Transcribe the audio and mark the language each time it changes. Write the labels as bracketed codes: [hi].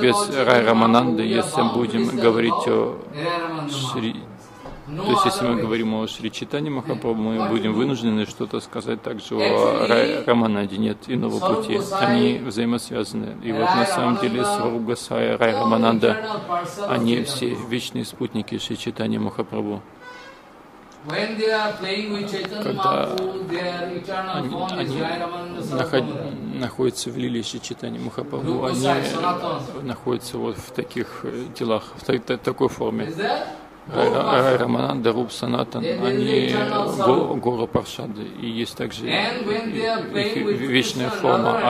[ru] Без Рай Рамананды, если мы будем говорить о Шри, то есть если мы говорим о Шри Чайтанье Махапрабху, мы будем вынуждены что-то сказать также о Рай Рамананде. Нет иного пути. Они взаимосвязаны. И вот на самом деле Сварупа Госвами и Рай Рамананда, они все вечные спутники Шри Чайтанья Махапрабху. [en] When they are playing with Chaitanya Mahaprabhu, their eternal form is Rai Ramananda Sarasvati. [ru] Находятся в лиле Шри Чайтанья Махапрабху. Они находятся вот в таких телах, в такой форме. Рай Рамананда, Рупа Санатан, они Гора Паршады, и есть также их вечная форма.